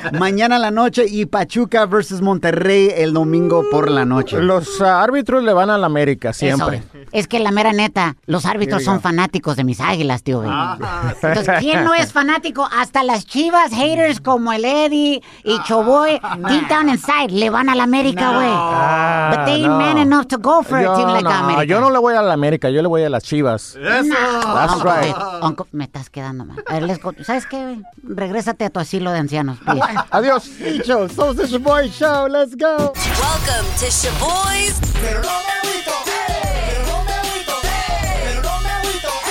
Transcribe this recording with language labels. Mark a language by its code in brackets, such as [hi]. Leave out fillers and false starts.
[es] Mañana a la noche y Pachuca versus Monterrey el domingo por la noche. Los árbitros le van a la América siempre. Eso. Es que la mera neta, los árbitros son fanáticos de mis águilas, tío. Güey. Entonces, ¿quién no es fanático? Hasta las Chivas haters como el Eddie y Choboy, [en] deep down inside, [es] le van a la América, güey. No. [en] But they ain't man enough to go for a team like America. [es] Yo no le voy a la América, yo le voy a las Chivas. Eso. [en] That's Uncle, right. [es] Uncle, me estás quedando mal. ¿Sabes qué? Regrésate a tu asilo de ancianos. Adiós. Dicho, somos The Shaboy Show. [en] Let's go. Welcome to Shaboy's. [es] Pero no me agüito. Pero no me agüito. Pero no me agüito.